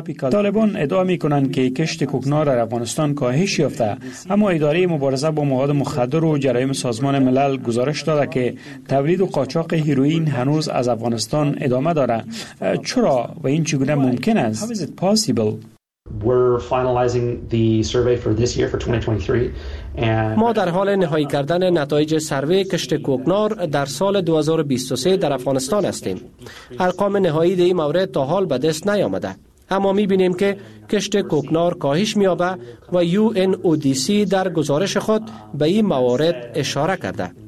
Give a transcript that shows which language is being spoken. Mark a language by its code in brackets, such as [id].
[fa] طالبان ادعا می کنند که کشت کوکنار در افغانستان کاهش یافته، اما اداره مبارزه با مواد مخدر و جرایم سازمان ملل گزارش داده که تولید و قاچاق هیروئین هنوز از افغانستان ادامه داره. چرا و این چگونه ممکن است؟ [en] How is it possible? We're finalizing the survey for this year, for 2023. [fa] ما در حال نهایی کردن نتایج سروی کشت کوکنار در سال 2023 در افغانستان هستیم. ارقام نهایی در این مورد تا حال به دست نیامده. اما می بینیم که کشت کوکنار کاهش می‌یابد و UNODC در گزارش خود به این موارد اشاره کرده.